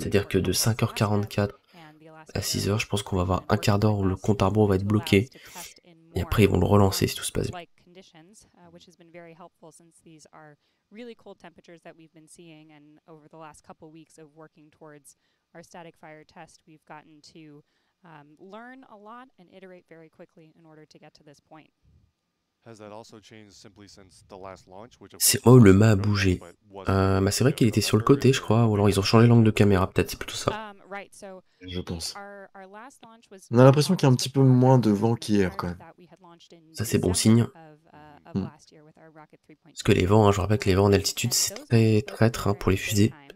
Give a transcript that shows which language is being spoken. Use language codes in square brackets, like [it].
[fr] C'est-à-dire que de 5h44 à 6h, je pense qu'on va avoir un quart d'heure où le compte à rebours va être bloqué. Et après, ils vont le relancer si tout se passe bien. [en] Which has been very helpful since these are really cold temperatures that we've been seeing. And over the last couple weeks of working towards our static fire test, we've gotten to learn a lot and iterate very quickly in order to get to this point. Has that also changed simply since the last launch? [fr] C'est oh le mât a bougé. Bah c'est vrai qu'il était sur le côté, je crois. Ou alors ils ont changé l'angle de caméra, peut-être c'est plutôt ça. Je pense. On a l'impression qu'il y a un petit peu moins de vent qu'hier, quand même. Ça c'est bon signe. Parce que les vents, hein, je rappelle que les vents en altitude, c'est très traître, hein, pour les fusées.